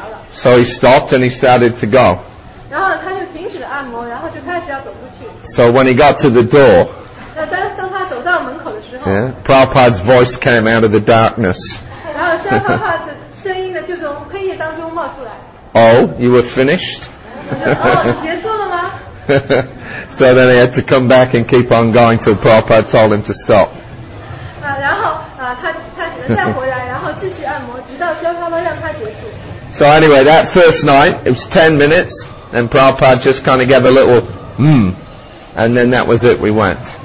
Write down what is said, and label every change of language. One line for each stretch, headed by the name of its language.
English: So he stopped and he started to go.
Chinese: 然后他就停止了按摩，然后就开始要走出去。
English: So when he got to the door,
Chinese: 当他走到门口的时候
English: yeah, Prabhupada's voice came out of the darkness.
Chinese: 然后释迦帕帕的声音呢，就从黑夜当中冒出来。
English: Oh, you were finished?
Chinese: 哦，结束了吗？
English: So then he had to come back and keep on going till Prabhupada told him to stop.
Chinese: 然后他只能再回来，然后继续按摩，直到释迦帕帕让他结束。
English: So anyway, that first night, it was 10 minutes. And Prabhupada just kind of gave a little hmm, and then that was it, we went.